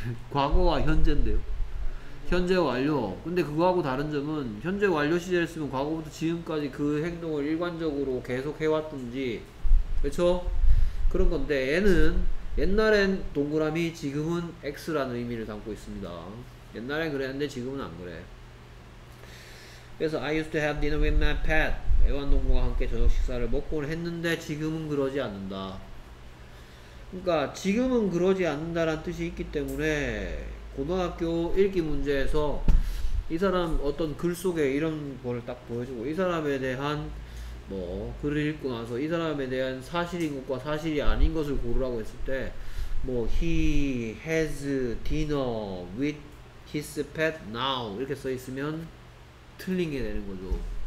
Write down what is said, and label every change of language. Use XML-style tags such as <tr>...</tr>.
<ko>과거와 현재인데요. 현재 완료. 근데 그거하고 다른 점은 현재 완료 시제를 쓰면 과거부터 지금까지 그 행동을 일관적으로 계속 해왔든지 그렇죠? 그런 건데 얘는 옛날엔 동그라미 지금은 X라는 의미를 담고 있습니다. 옛날엔 그랬는데 지금은 안 그래. 그래서</ko> <en>I used to have dinner with my pet.</en> <ko>애완동물과 함께 저녁 식사를 먹곤 했는데 지금은 그러지 않는다. 그러니까 지금은 그러지 않는다라는 뜻이 있기 때문에 고등학교 읽기 문제에서 이 사람 어떤 글 속에 이런 걸 딱 보여주고 이 사람에 대한 뭐 글을 읽고 나서 이 사람에 대한 사실인 것과 사실이 아닌 것을 고르라고 했을 때 뭐</ko> <en>he has dinner with his pet now</en> <ko>이렇게 써 있으면 틀린 게 되는 거죠.</ko>